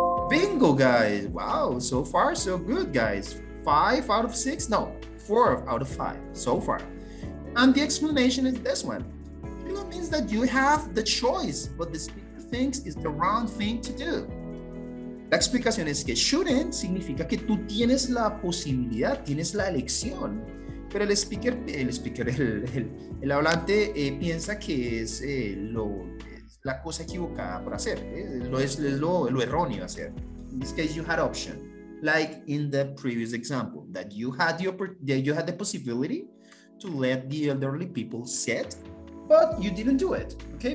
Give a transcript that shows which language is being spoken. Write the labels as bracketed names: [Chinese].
[English] Bingo, guys! Wow, so far so good, guys. 4 out of 5 so far. And the explanation is this one. Shouldn't means that you have the choice, but the speaker thinks it's the wrong thing to do. [Spanish] La explicación es que shouldn't significa que tú tienes la posibilidad, tienes la elección, pero el hablante piensa que es la cosa equivocada por hacer, lo erróneo hacer. [English] In this case, you had option, like in the previous example, that you had the possibility to let the elderly people sit, but you didn't do it, okay?